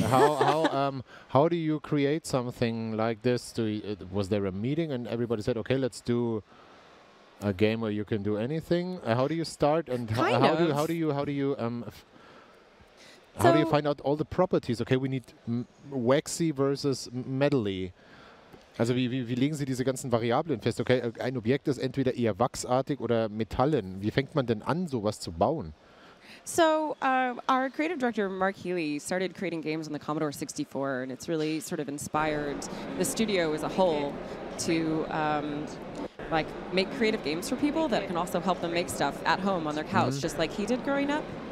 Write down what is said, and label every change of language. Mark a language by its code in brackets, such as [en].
[en] how do you create something like this? Was there a meeting and everybody said, okay, let's do a game where you can do anything? How do you start, and how do you find out all the properties? Okay, we need waxy versus metally. [de] Also wie legen Sie diese ganzen Variablen fest? Okay, ein Objekt ist entweder eher wachsartig oder metallen. Wie fängt man denn an, sowas zu bauen? [en] So our creative director Mark Healy started creating games on the Commodore 64, and it's really sort of inspired the studio as a whole to like make creative games for people that can also help them make stuff at home on their couch, mm-hmm. just like he did growing up.